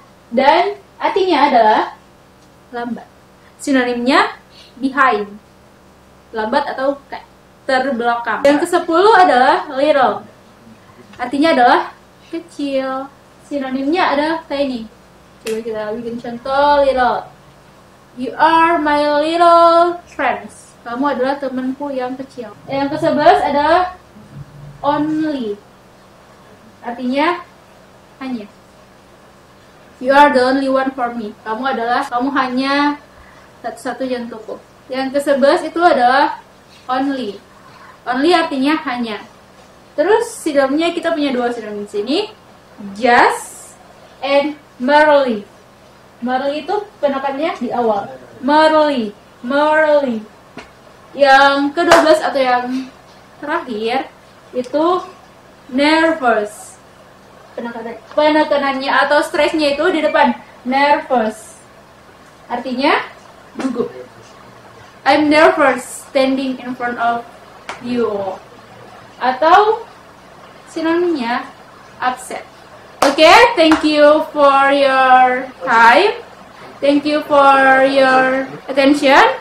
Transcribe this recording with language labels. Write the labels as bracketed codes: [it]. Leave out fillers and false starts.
[id] Dan artinya adalah lambat. Sinonimnya behind. Lambat atau terbelakang. Yang kesepuluh adalah little. Artinya adalah kecil. Sinonimnya adalah tiny. Coba kita bikin contoh little. [en] You are my little friends. [id] Kamu adalah temanku yang kecil. Yang ke-11 adalah only. Artinya hanya. [en] You are the only one for me. [id] Kamu hanya satu-satunya untukku. Yang ke-11 itu adalah only. Only artinya hanya. Terus sinonimnya kita punya dua sinonim di sini. [en] Just and merely. [id] Merely itu penekannya di awal. Merely. Yang ke-12 atau yang terakhir itu nervous. Penekanannya atau stresnya itu di depan. Nervous. Artinya gugup. [en] I'm nervous standing in front of you. [id] Atau sinonimnya upset. [en] Okay, thank you for your time. Thank you for your attention.